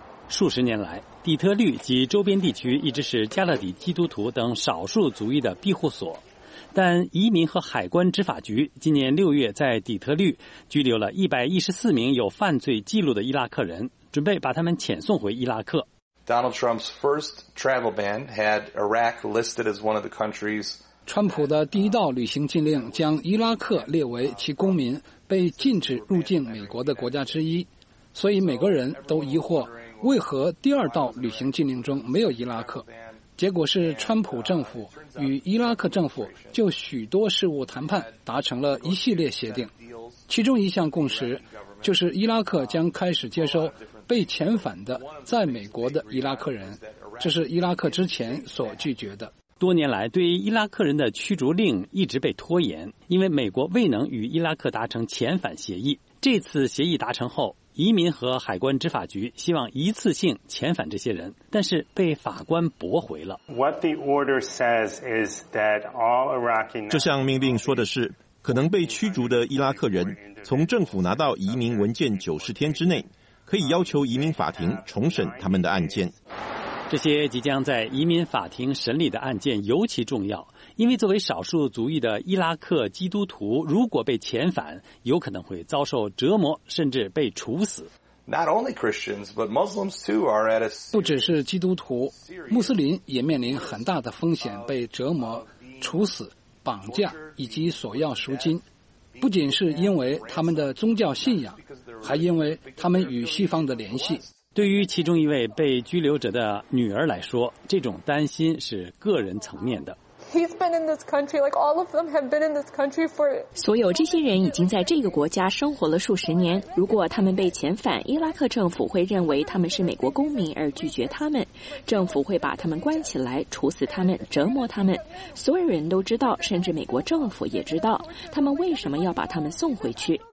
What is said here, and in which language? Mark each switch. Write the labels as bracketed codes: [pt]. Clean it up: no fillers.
[zh] 数十年来，底特律及周边地区一直是加勒底基督徒等少数族裔的庇护所，但移民和海关执法局今年6月在底特律拘留了114名有犯罪记录的伊拉克人，准备把他们遣送回伊拉克。 [en] Donald Trump's first travel ban had Iraq listed as one of the countries. [zh] 川普的第一道旅行禁令将伊拉克列为其公民被禁止入境美国的国家之一，所以美国人都疑惑为何第二道旅行禁令中没有伊拉克。结果是川普政府与伊拉克政府就许多事务谈判达成了一系列协定，其中一项共识就是伊拉克将开始接收被遣返的在美国的伊拉克人，这是伊拉克之前所拒绝的。多年来对伊拉克人的驱逐令一直被拖延，因为美国未能与伊拉克达成遣返协议。这次协议达成后，移民和海关执法局希望一次性遣返这些人，但是被法官驳回了。 [en] What the order says is that all Iraqi [zh] 这项命令说的是，可能被驱逐的伊拉克人从政府拿到移民文件90天之内，可以要求移民法庭重审他们的案件。这些即将在移民法庭审理的案件尤其重要，因为作为少数族裔的伊拉克基督徒，如果被遣返，有可能会遭受折磨，甚至被处死。 [en] Not only Christians, but Muslims too are at a [zh] 不只是基督徒，穆斯林也面临很大的风险，被折磨、处死、绑架以及索要赎金。不仅是因为他们的宗教信仰，还因为他们与西方的联系。对于其中一位被拘留者的女儿来说，这种担心是个人层面的。 [en] He's been in this country, like all of them have been in this country for. [zh] 所有这些人已经在这个国家生活了数十年。如果他们被遣返，伊拉克政府会认为他们是美国公民而拒绝他们。政府会把他们关起来，处死他们，折磨他们。所有人都知道，甚至美国政府也知道，他们为什么要把他们送回去。